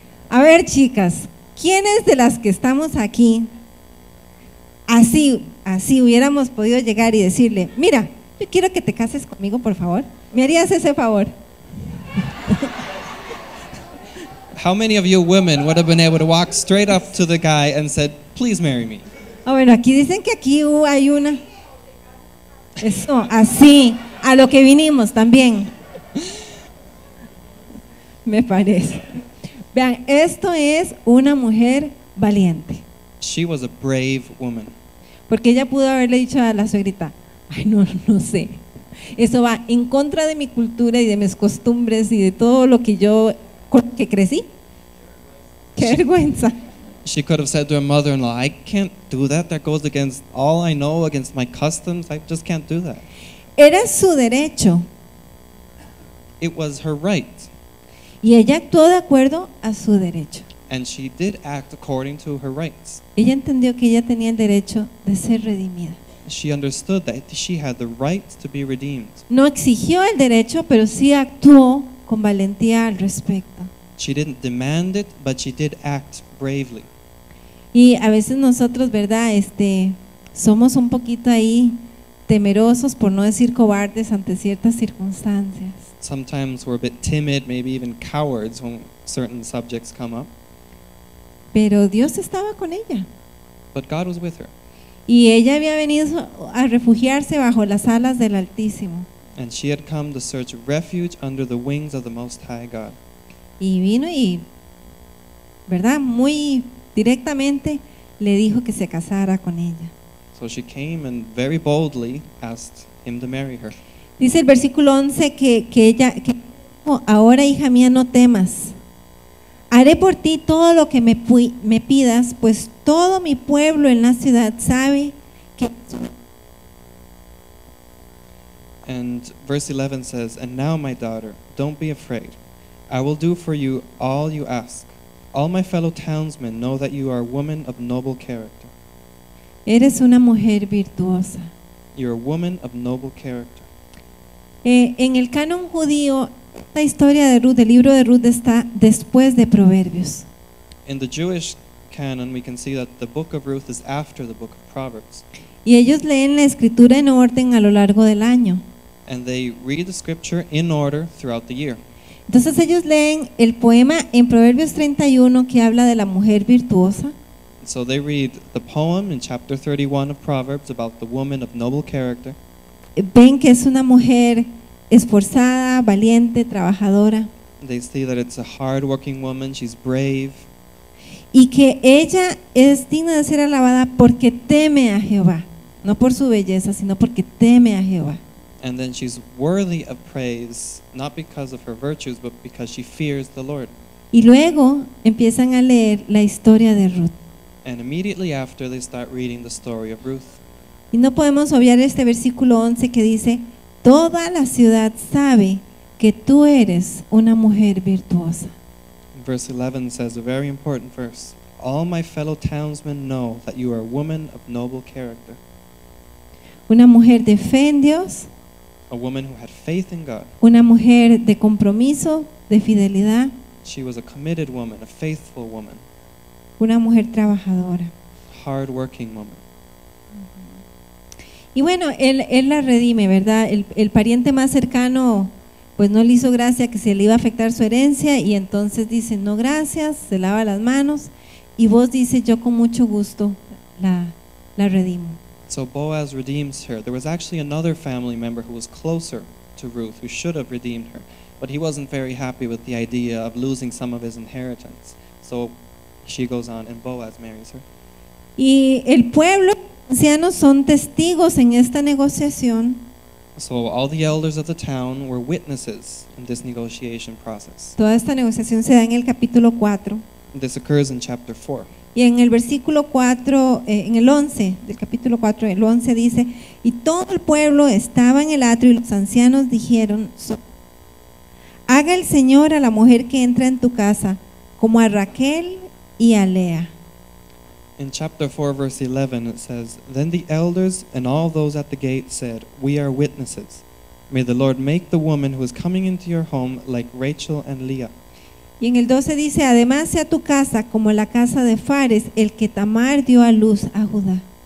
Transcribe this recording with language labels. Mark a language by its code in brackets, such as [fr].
[es] A ver, chicas, ¿quiénes de las que estamos aquí así hubiéramos podido llegar y decirle, mira, yo quiero que te cases conmigo, por favor? ¿Me harías ese favor? [en] How many of you women would have been able to walk straight up to the guy and said, please marry me? [es] Oh, bueno, aquí dicen que aquí hay una. Eso, así, a lo que vinimos también. Me parece. Vean, esto es una mujer valiente. [en] She was a brave woman. [es] Porque ella pudo haberle dicho a la suegrita, ay, no sé. Eso va en contra de mi cultura y de mis costumbres y de todo lo que yo que crecí. Qué vergüenza. [en] She could have said to her mother-in-law, I can't do that. That goes against all I know, against my customs. I just can't do that. [es] Era su derecho. [en] It was her right. [es] Y ella actuó de acuerdo a su derecho. [en] And she did act according to her rights. [es] Ella entendió que ella tenía el derecho de ser redimida. [en] She understood that she had the right to be redeemed. [es] No exigió el derecho, pero sí actuó con valentía al respecto. [en] She didn't demand it, but she did act bravely. [es] Y a veces nosotros, ¿verdad? Somos un poquito ahí temerosos, por no decir cobardes, ante ciertas circunstancias. [en] sometimes we're a bit timid, maybe even cowards when certain subjects come up. [es] Pero Dios estaba con ella. [en] But God was with her. [es] Y ella había venido a refugiarse bajo las alas del Altísimo. [en] And she had come to search refuge under the wings of the Most High God. [es] Y vino y, ¿verdad?, muy directamente le dijo que se casara con ella. [en] So she came and very boldly asked him to marry her. [es] Dice el versículo 11 que dijo: ahora, hija mía, no temas. Haré por ti todo lo que me pidas, pues todo mi pueblo en la ciudad sabe que. [en] And verse 11 says, and now, my daughter, don't be afraid. I will do for you all you ask. All my fellow townsmen know that you are a woman of noble character. [es] Eres una mujer virtuosa. [en] You're a woman of noble character. [es] En el canon judío, la historia de Ruth, del libro de Ruth, está después de Proverbios. [en] In the Jewish canon, we can see that the book of Ruth is after the book of Proverbs. [es] Y ellos leen la escritura en orden a lo largo del año. [en] And they read the scripture in order throughout the year. [es] Entonces ellos leen el poema en Proverbios 31 que habla de la mujer virtuosa. [en] So they read the poem in chapter 31 of Proverbs about the woman of noble character. [es] Ven que es una mujer esforzada, valiente, trabajadora. [en] They see that it's a hard-working woman, she's brave. [es] Y que ella es digna de ser alabada porque teme a Jehová, no por su belleza, sino porque teme a Jehová. [en] And then she's worthy of praise, not because of her virtues, but because she fears the Lord. [es] Y luego empiezan a leer la historia de Ruth. [en] And immediately after, they start reading the story of Ruth. [es] Y no podemos obviar este versículo 11 que dice: toda la ciudad sabe que tú eres una mujer virtuosa. [en] Verse 11 says a very important verse. All my fellow townsmen know that you are a woman of noble character. [es] Una mujer de fe en Dios. [en] A woman who had faith in God. [es] Una mujer de compromiso, de fidelidad. [en] She was a committed woman, a faithful woman. [es] Una mujer trabajadora. [en] Hard-working woman. [es] Y bueno, él la redime, ¿verdad? El pariente más cercano, pues no le hizo gracia que se le iba a afectar su herencia, y entonces dice: no, gracias, se lava las manos, y vos dice: yo con mucho gusto la redimo. [en] So Boaz redeems her. There was actually another family member who was closer to Ruth who should have redeemed her, but he wasn't very happy with the idea of losing some of his inheritance. So she goes on and Boaz marries her. [es] Y el pueblo, ancianos, son testigos en esta negociación. [en] So all the elders of the town were witnesses in this negotiation process. [es] Toda esta negociación se da en el capítulo 4. [en] This occurs in chapter 4. [es] Y en el versículo 4, en el 11, del capítulo 4, el 11 dice: y todo el pueblo estaba en el atrio y los ancianos dijeron: haga el Señor a la mujer que entra en tu casa como a Raquel y a Lea. [en] In chapter 4, verse 11, it says, then the elders and all those at the gate said, we are witnesses. May the Lord make the woman who is coming into your home like Rachel and Leah. [es] Y en el 12 dice: además sea tu casa como la casa de Fares, el que Tamar dio a luz a Judá.